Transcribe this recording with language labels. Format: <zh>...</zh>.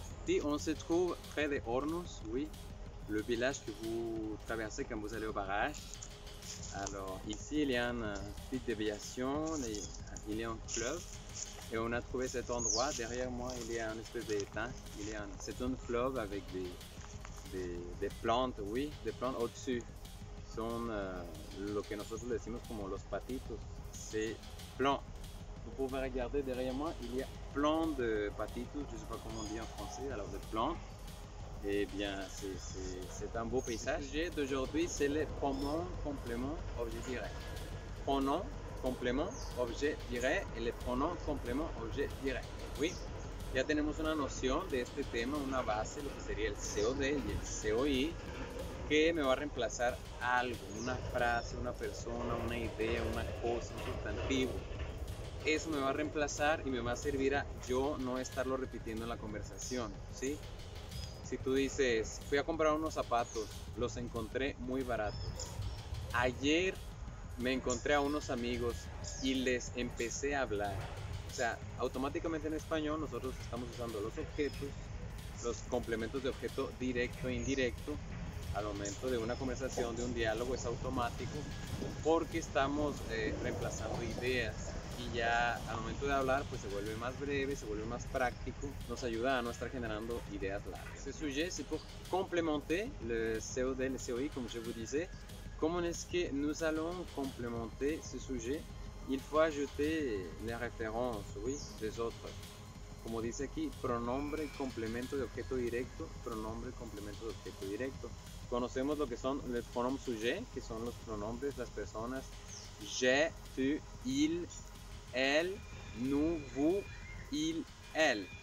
<fr>Et on se trouve près de Hornos, oui, le village que vous traversez quand vous allez au barrage. Alors ici il y a une petite déviation, il y a un fleuve et on a trouvé cet endroit. Derrière moi il y a une espèce d'étang, c'est un fleuve avec des plantes, oui, des plantes au-dessus.</fr> <es>Son lo que nosotros le decimos como los patitos,</es> <fr>c'est plants. Vous pouvez regarder derrière moi, il y a plein de patitos, je ne sais pas comment on dit en français, alors de plantes. Eh bien, c'est un beau Le paysage. sujet d'aujourd'hui, c'est les pronoms, compléments, objets directs. Pronoms, compléments, objets directs et les pronoms, compléments, objets directs.</fr> <es>Oui, ya tenemos una noción de este tema, una base, lo que sería el COD y el COI. Que me va a reemplazar algo, una frase, una persona, una idea, una cosa, un sustantivo. Eso me va a reemplazar y me va a servir a yo no estarlo repitiendo en la conversación, ¿sí? Si tú dices, fui a comprar unos zapatos, los encontré muy baratos. Ayer me encontré a unos amigos y les empecé a hablar. O sea, automáticamente en español nosotros estamos usando los objetos, los complementos de objeto directo e indirecto. Al momento de una conversación, de un diálogo, es automático porque estamos reemplazando ideas y ya al momento de hablar, pues se vuelve más breve, se vuelve más práctico, nos ayuda a no estar generando ideas largas.</es> <fr>Ce sujet, c'est pour complémenter le COD, le COI, comme je vous disais. Comment est-ce que nous allons complémenter ce sujet? Il faut ajouter les références, oui, des autres.</fr> <es>Como dice aquí, pronombre y complemento de objeto directo, pronombre y complemento de objeto directo. Conocemos lo que son</es> <fr>les pronoms sujet,</fr> <es>que son los pronombres, las personas.</es> <fr>Je, tu, il, elle, nous, vous, il, elle.</fr>